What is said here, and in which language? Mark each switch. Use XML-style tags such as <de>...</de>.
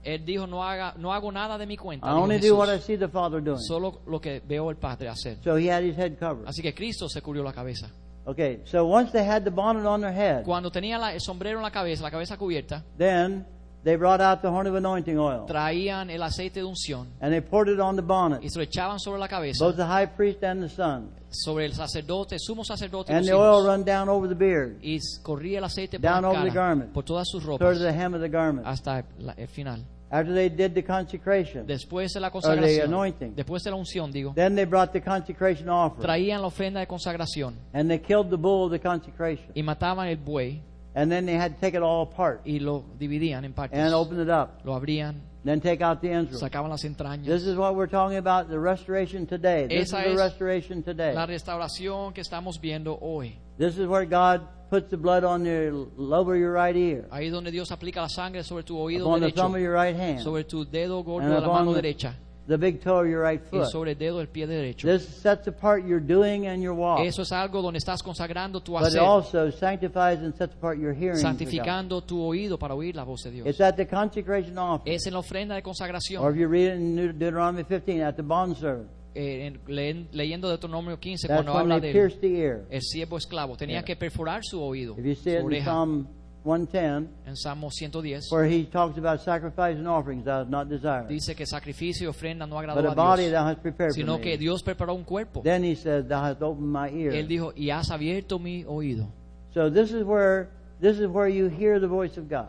<es>Él dijo, no hago nada de mi cuenta.</es> <en>I only do what I see the Father doing.</en> <es>Solo lo que veo el Padre hacer.</es> <en>So he had his head covered.</en> <es>Así que Cristo se cubrió la cabeza.</es> <en>Okay, so once they had the bonnet on their head,</en> <es>cuando tenía el sombrero en la cabeza cubierta,</es> <en>then they brought out the horn of anointing oil.</en> <es>Traían el aceite de unción.</es> <en>And they poured it on the bonnet.</en> <es>Y se lo echaban sobre la cabeza.</es> <en>Both the high priest and the son.</en> <es>Sobre el sacerdote, sumo sacerdote.</es> <en>And the oil ran down over the beard.</en> <es>Y corría el aceite por la cara.</es> <en>Down over the garment.</en> <es>Por todas sus ropas.</es> <en>Towards the hem of the garment.</en> <es>Hasta el final.</es> <en>After they did the consecration.</en> <es>Después de la consagración.</es> <en>Or the anointing.</en> <es>Después de la unción, digo.</es> <en>Then they brought the consecration offering.</en> <es>Traían la ofrenda de consagración.</es> <en>And they killed the bull of the consecration.</en> <es>Y mataban el buey.</es> <en>And then they had to take it all apart.</en> <es>Y lo dividían en partes.</es> <en>And open it up.</en> <es>Lo abrían.</es> <en>Then take out the entrails.</en> <es>Sacaban las entrañas.</es> <en>This is what we're talking about, the restoration today. This</en> <es>Esa</es> <en>is the restoration today.</en> <es>La restauración que estamos viendo hoy.</es> <en>This is where God puts the blood on your lower your right ear.</en> <es>Ahí donde Dios aplica la sangre sobre tu oído</es> <en>upon</en> <es>derecho,</es> <en>the thumb of your right hand.</en> <es>Sobre tu dedo gordo de la mano derecha.</es> <en>The big toe of your right foot.</en> <es>Y sobre el dedo del pie derecho.</es> <en>This sets apart your doing and your walk.</en> <es>Eso es algo donde estás consagrando tu</es> <en>but</en> <es>hacer.</es> <en>It also sanctifies and sets apart your hearing.</en> <es>Santificando</es> <en>for God.</en> <es>Tu oído para oír la voz de Dios.</es> <en>It's at the consecration offering.</en> <es>Es en la ofrenda de consagración.</es> <en>Or if you read in Deuteronomy 15 at the bondservant.</en> <es>Leyendo Deuteronomio 15 cuando habla</es> <en>they pierced the ear.</en> <es>El siervo esclavo tenía yeah. que perforar su oído.</es> <en>If you see</en> <es>su</es> <en>it</en> <es>oreja.</es> <en>In Psalm 110,</en> <es>en Salmo 110,</es> <en>where he talks about sacrifice and offerings that are not desired.</en> <es>Dice que sacrificio y ofrenda no agradó</es> <en>but a body thou hast prepared</en> <es>sino</es> <en>for me.</en> <es>Que Dios preparó un cuerpo.</es> <en>Then he said, thou hast opened my ear.</en> <es>Él dijo, y has abierto mi oído.</es> <en>So this is where you hear the voice of God.</en>